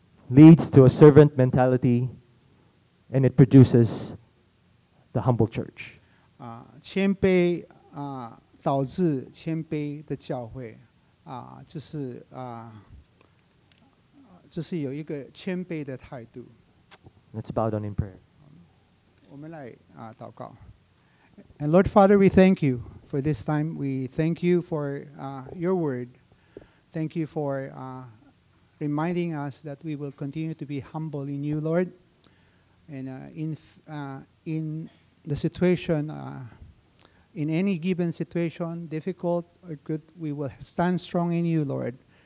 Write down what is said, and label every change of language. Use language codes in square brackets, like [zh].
[en] Leads to a servant mentality, and it produces the humble church. [zh] 谦卑导致谦卑的教会就是有一个谦卑的态度。 [en] Let's bow down in prayer. [zh] 我们来祷告。 [en] And Lord Father, we thank you for this time. We thank you for your word. Thank you for reminding us that we will continue to be humble in you, Lord. And in the situation, in any given situation, difficult or good, we will stand strong in you, Lord.